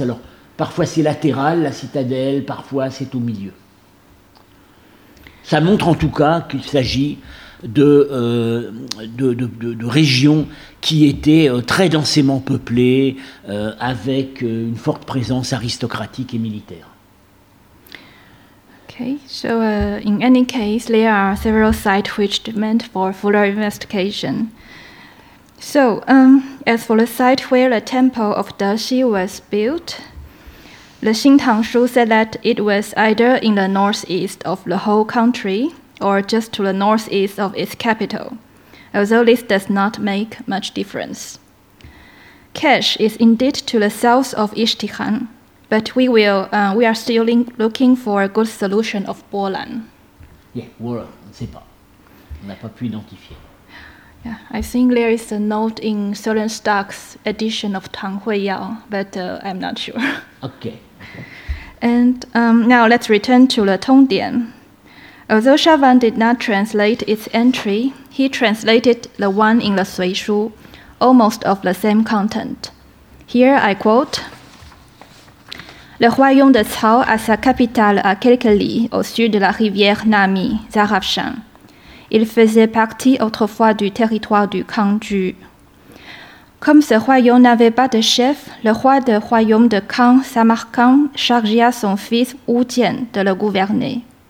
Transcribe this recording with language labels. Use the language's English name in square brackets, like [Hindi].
[French] Alors, parfois c'est latéral, la citadelle, parfois c'est au milieu. Ça montre en tout cas qu'il s'agit de régions qui étaient très densément peuplées, avec une forte présence aristocratique et militaire. [English] Okay, so in any case, there are several sites which demand for fuller investigation. So, as for the site where the temple of Daxi was built, the Xin Tang Shu said that it was either in the northeast of the whole country or just to the northeast of its capital, although this does not make much difference. Kesh is indeed to the south of Ishtihan, but we are still looking for a good solution of Bolan. [French] Yeah, Bolan, on ne sait pas. On n'a pas pu identifier. [English] Yeah, I think there is a note in Solon Stark's edition of Tang Huiyao, but I'm not sure. Okay. And now let's return to the Tongdian. Although Sha Wan did not translate its entry, he translated the one in the Sui Shu, almost of the same content. Here I quote, [French] "Le royaume de Cao a sa capitale à quelques li au sud de la rivière Nami, Zarafshan. Il faisait partie autrefois du territoire du Kangju. Comme ce royaume n'avait pas de chef, le roi du royaume de Kang, Samarkand, chargea son fils Wu Jian de le gouverner.